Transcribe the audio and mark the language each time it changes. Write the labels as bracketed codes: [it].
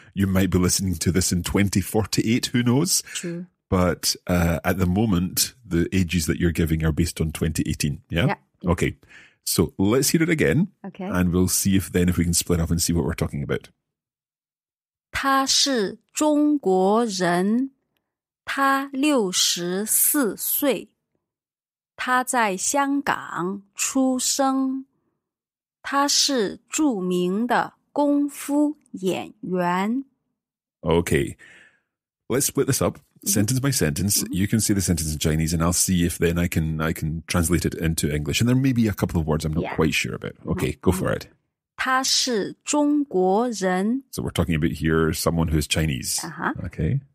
[en] You might be listening to this in 2048, who knows? True. But at the moment, the ages that you're giving are based on 2018. Yeah? Okay. So let's hear it again. Okay. And we'll see if then if we can split up and see what we're talking about. [zh] 他是中国人, 他64岁, 他在香港出生, 他是著名的功夫演员. [en] Okay. Let's split this up. Sentence by sentence, you can say the sentence in Chinese and I'll see if then I can translate it into English. And there may be a couple of words I'm not quite sure about. Okay, go for it. [zh] 他是中国人. [en] So we're talking about here someone who is Chinese. Okay.